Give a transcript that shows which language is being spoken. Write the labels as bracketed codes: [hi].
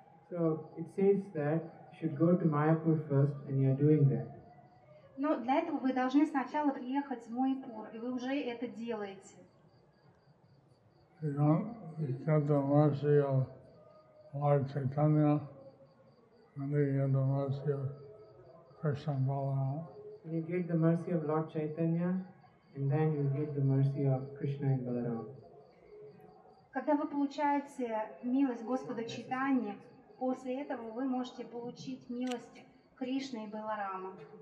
[en] So it says that you should go to Māyāpur first, and you are doing that. [ru] Но для этого вы должны сначала приехать в Майпур, и вы уже это делаете. [en] You get the mercy of Lord Chaitanya, and you get the mercy of Krishna Balaram. You get the mercy of Lord Chaitanya, and then you get the mercy of Krishna and Balaram. [ru] Когда вы получаете милость Господа Чайтаньи, после этого вы можете получить милость Кришны и Баларама.